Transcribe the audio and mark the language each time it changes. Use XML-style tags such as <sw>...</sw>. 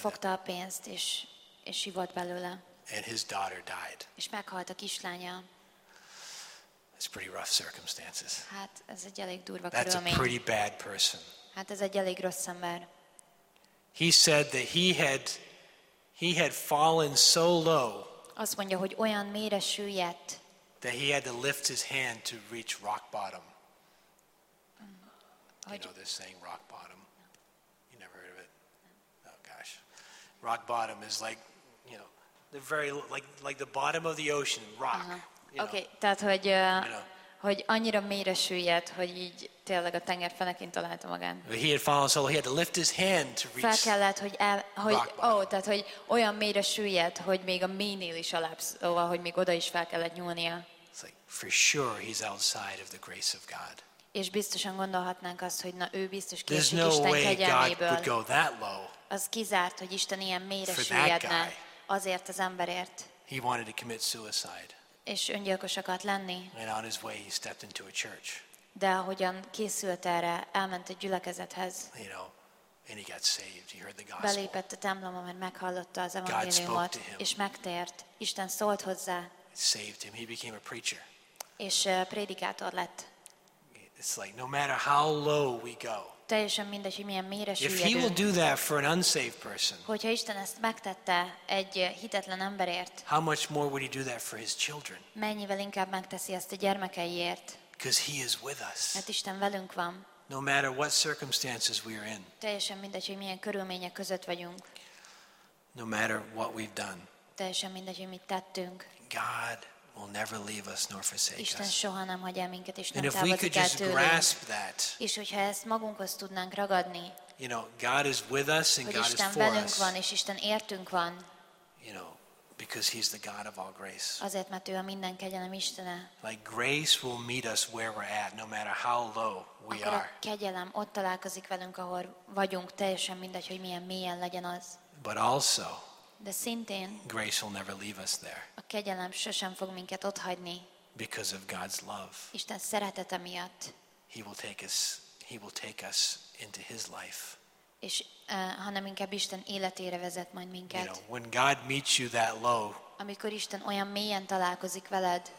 <hu>Fogta a pénzt és ivott belőle.</hu> <en>And his daughter died.</en> <hu>És meghalt a kislánya.</hu> <en>It's pretty rough circumstances.</en> <hu>Hát ez egy elég durva körülmény.</hu> <en>That's a pretty bad person.</en> <hu>Hát ez egy elég rossz ember.</hu> <en>He said that he had fallen so low.</en> <hu>Azt mondja, hogy olyan mélyre süllyedt.</hu> <en>That he had to lift his hand to reach rock bottom. You know this saying, rock bottom. You never heard of it? Oh gosh, rock bottom is like, you know, the very like the bottom of the ocean, rock. Uh-huh.</en> <hu>Okay, tehát hogy</hu> <en>you know.</en> <hu>Hogy annyira mélyre süllyedt, hogy így tényleg a tengerfenekén találta magán.</hu> <en>He had fallen so low, he had to lift his hand to reach.</en> <hu>Fel kellett, tehát hogy olyan mélyre süllyedt, hogy még a mélynél is alábszóval, hogy még oda is fel kellett nyúlnia.</hu> <en>It's like for sure he's outside of the grace of God.</en> <hu>És biztosan gondolhatnánk azt, hogy na ő biztos kiesik Isten kegyelméből. Az kizárt, hogy Isten ilyen mélyre süllyedne azért az emberért.</hu> <en>He wanted to commit suicide.</en> <hu>És öngyilkos akart lenni.</hu> <en>And on his way he stepped into a church.</en> <hu>De ahogyan készült erre, elment egy gyülekezethez.</hu> <en>You know, and he got saved. He heard the gospel.</en> <hu>Belépett a templomba, mert meghallotta az evangéliumot, és megtért. Isten szólt hozzá.</hu> <en>Saved him. He became a preacher.</en> <hu>És prédikátor lett.</hu> <en>It's like no matter how low we go.</en> <hu>Teljesen mindegy, hogy milyen mélyre süllyedünk.</hu> <en>If he will do that for an unsaved person.</en> <hu>Hogyha Isten ezt megtette egy hitetlen emberért.</hu> <en>How much more would he do that for his children?</en> <hu>Mennyivel inkább megteszi ezt a gyermekeiért?</hu> <en>Because he is with us.</en> <hu>Mert Isten velünk van.</hu> <en>No matter what circumstances we are in.</en> <hu>Teljesen mindegy, hogy milyen körülmények között vagyunk.</hu> <en>No matter what we've done.</en> <hu>Teljesen mindegy, hogy mit tettünk.</hu> <en>God will never leave us nor forsake us.</en> <hu>Isten soha nem hagy el minket, és nem távozik el tőlünk.</hu> <en>And if we could just grasp that.</en> <hu>És hogyha ezt magunkhoz tudnánk ragadni.</hu> <en>You know, God is with us and God is for us.</en> <hu>Isten velünk van, és Isten értünk van.</hu> <en>You know, because he's the God of all grace.</en> <hu>Azért, mert ő a minden kegyelem Istene.</hu> <en>Like grace will meet us where we're at, no matter how low we are.</en> <hu>Akkor a kegyelem ott találkozik velünk, ahol vagyunk, teljesen mindegy, hogy milyen mélyen legyen az.</hu> <en>But also,</en> <hu>de szintén,</hu> <en>grace will never leave us there.</en> <hu>A kegyelem sosem fog minket otthagyni.</hu> <en>Because of God's love.</en> <hu>Isten szeretete miatt.</hu> <en>He will take us into his life.</en> <hu>És hanem inkább Isten életére vezet majd minket.</hu> <en>You know, when God meets you that low.</en> <hu>Amikor Isten olyan mélyen találkozik veled.</hu>